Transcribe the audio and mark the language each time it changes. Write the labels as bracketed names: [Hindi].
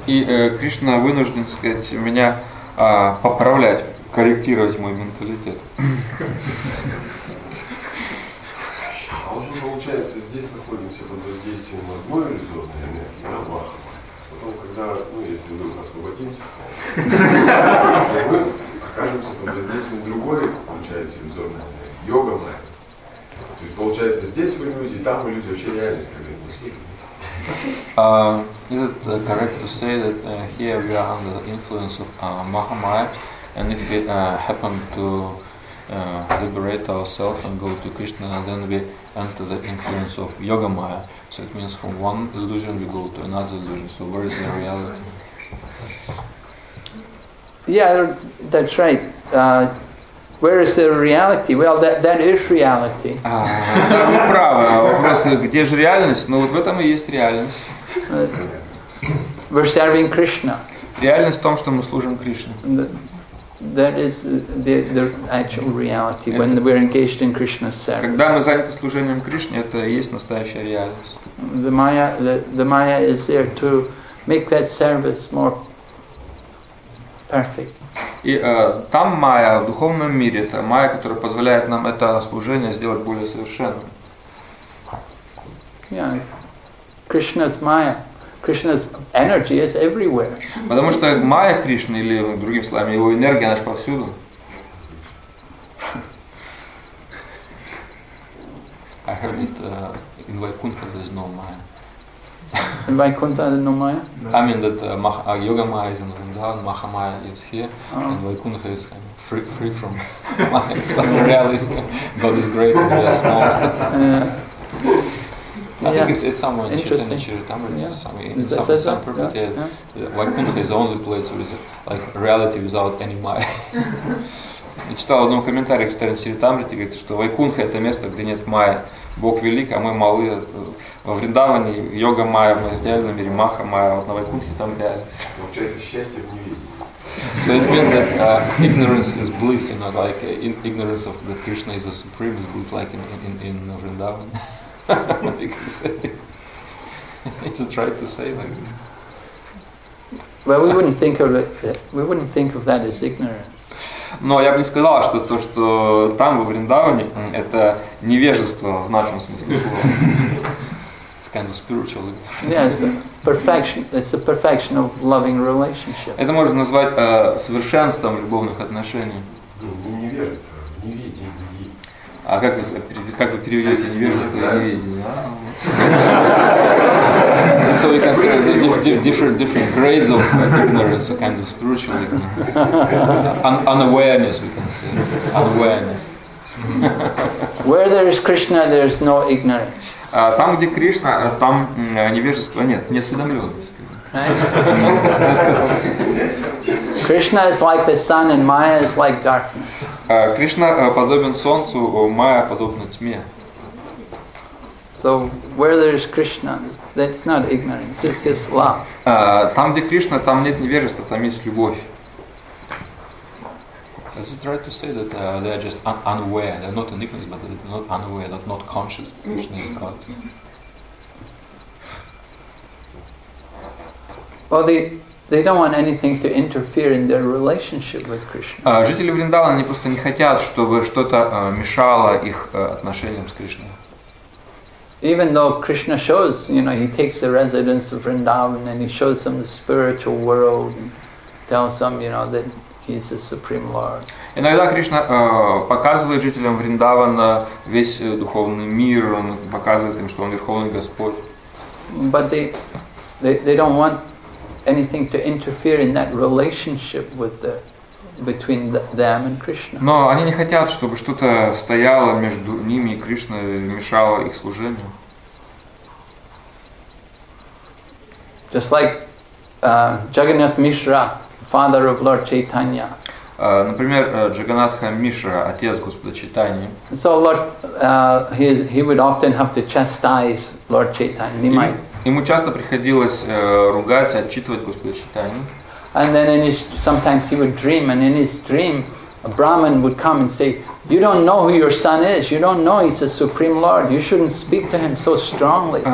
[Russian] И Кришна вынужден, сказать, меня поправлять, корректировать мой менталитет. А уже получается, здесь находимся под воздействием одной иллюзорной энергии, да, Махама. Потом, когда, ну, если мы освободимся, то мы окажемся под воздействием другой, получается, иллюзорной энергии, йогама. То есть получается, здесь в иллюзии, там в иллюзии вообще реальность как-то пустила. [English] Is it correct to say that here we are under the influence of Mahamaya, and if it happened to liberate ourselves and go to Krishna, and then we enter the influence of Yoga Maya. So it means from one illusion we go to another illusion. So where is the reality? Yeah, that's right. Where is the reality? Well, that is reality. [Russian] Вы правы. Вопрос, где же реальность? Ну вот в этом и есть реальность. [English] We're serving Krishna. [Russian] Реальность в том, что мы служим Кришне. [English] That is the actual reality when we're engaged in Krishna's service. [Russian] Когда мы заняты служением Кришне, это и есть настоящая реальность. [English] The Maya is there to make that service more perfect. [Russian] И там Майя в духовном мире, это Майя, которая позволяет нам это служение сделать более совершенным. [English] Yes, Krishna's Maya. Krishna's energy is everywhere. [Russian] Потому что Майя Кришны, или другими словами, его энергия, она же повсюду. [English] I heard it in Vaikuntha there's no Maya. In Vaikuntha there's no Maya? I mean that Yoga Maya is in Vrindavan, Maha Maya is here, and Vaikuntha is free from Maya. It's not reality. God is great and we are small. I think it's somewhere in Chaitanya Charitamrita, Vaikuntha is the only place where it's like reality without any Maya. [Russian] Я читал в одном комментарии Chaitanya Charitamrita, говорится, что Вайкунха это место, где нет Майя. Бог велик, а мы малы. Во Вриндаване йога Майя, мы в идеальном мире, Маха Майя, вот на Вайкунхе там реальность. Получается, счастье в невидении. [English] So it means that ignorance is bliss, you know, like ignorance of that Krishna is the supreme is bliss, like in Vrindavan. He's trying to say like this. Well, we wouldn't think of that as ignorance. [Russian] Но я бы не сказал, что то, что там во Вриндаване, это невежество в нашем смысле слова. [English] It's kind of spiritual. Yeah, it's a perfection of loving relationship. [Russian] Это можно назвать совершенством любовных отношений. Невежество, невидение. А как вы переведете невежество и неведение? [English] And so we can say there are different grades of ignorance, a kind of spiritual ignorance. Unawareness, we can say. Unawareness. Where there is Krishna, there is no ignorance. [Russian] Там, где Кришна, там невежества нет, неосведомленности. [English] Krishna is like the sun and Maya is like darkness. [Russian] Кришна подобен солнцу, Майя подобна тьме. [English] So where there is Krishna, that's not ignorance, it's just love. [Russian] Там, где Кришна, там нет невежества, там есть любовь. [English] Is it right to say that they are just unaware? They're not in ignorance, but they're not unaware, they're not conscious. Krishna is God. Well, they don't want anything to interfere in their relationship with Krishna. [Russian] Жители Вриндавана, они просто не хотят, чтобы что-то мешало их отношениям с Кришной. [English] Even though Krishna shows, you know, he takes the residence of Vrindavan and he shows them the spiritual world and tells them, you know, that he's the supreme lord. [Russian] Иногда Кришна показывает жителям Вриндавана весь духовный мир, он показывает им, что он верховный господь. [English] But they don't want anything to interfere in that relationship with the between them and Krishna. [Russian] Но они не хотят, чтобы что-то стояло между ними и Кришной, мешало их служению. [English] Just like Jagannath Mishra, father of Lord Chaitanya. [Russian] Например, Джаганатха Мишра, отец Господа Чайтаньи. [English] So Lord, he would often have to chastise Lord Chaitanya. He might. [Russian] Ему часто приходилось ругать, отчитывать Господа Чайтаньи. [English] And then in his, sometimes he would dream, and in his dream, a Brahmin would come and say, you don't know who your son is, you don't know he's the Supreme Lord, you shouldn't speak to him so strongly.